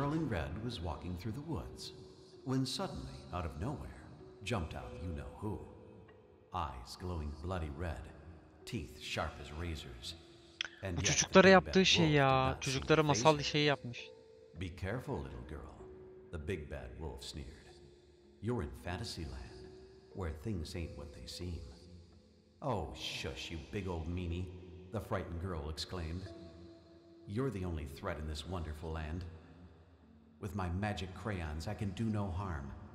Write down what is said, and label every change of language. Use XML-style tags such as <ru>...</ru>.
<en>Red was walking through the woods when suddenly, out of nowhere, jumped out you know who. Eyes glowing bloody red, teeth sharp as razors.</en> <tr>Bu çocuklara yaptığı şey ya, çocuklara masal şeyi yapmış.</tr> <en>Be careful, little girl, the big bad wolf sneered. You're in fantasy land, where things ain't what they seem. Oh, shush, you big old meanie, the frightened girl exclaimed. You're the only threat in this wonderful land. With my magic crayons, I can do no harm.</en>